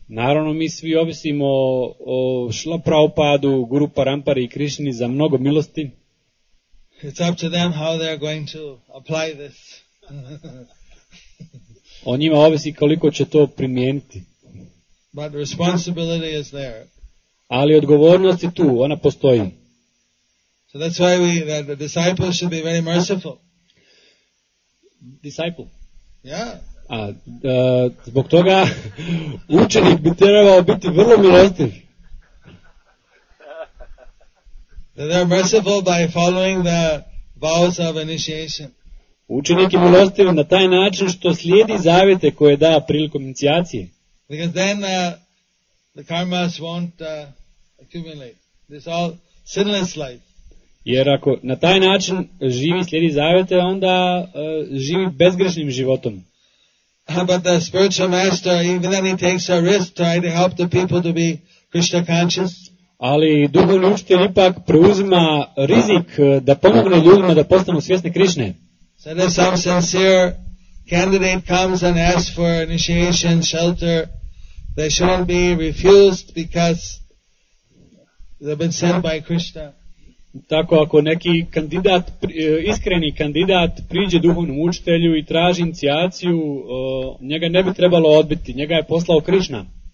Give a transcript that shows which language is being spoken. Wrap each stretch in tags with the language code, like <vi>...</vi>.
<hr>Naravno mi svi ovisimo o Šla Prabhupadu, Guru Parampari i Krišni za mnogo milosti.</hr> <en>It's up to them how they're going to apply this.</en> <hr>O njima ovisi koliko će to primijeniti.</hr> <en>But responsibility is there.</en> <hr>Ali odgovornost je tu, ona postoji.</hr> <en>So that's why we, that the disciples should be very merciful. Disciple. Yeah.</en> <hr>A zbog toga učenik bi trebao biti vrlo milostiv.</hr> <en>They're merciful by following the vows of initiation.</en> <hr>Učenik je milostiv na taj način što slijedi zavjete koje da prilikom inicijacije.</hr> <en>Because then the karmas won't accumulate. This all sinless life.</en> <hr>Jer ako na taj način živi slijedi zavjete, onda živi bezgrešnim životom.</hr> <en>But the spiritual master, even then he takes a risk trying to help the people to be Krishna conscious.</en> <hr>Ali duhovni učitelj ipak preuzima rizik da pomogne ljudima da postanu svjesni Krišne.</hr> <en>So if some sincere candidate comes and asks for initiation shelter, they shouldn't be refused because they've been sent by Krishna.</en> <hr>Tako ako neki kandidat, iskreni kandidat priđe duhovnom učitelju i traži inicijaciju, njega ne bi trebalo odbiti, njega je poslao Krišna.</hr>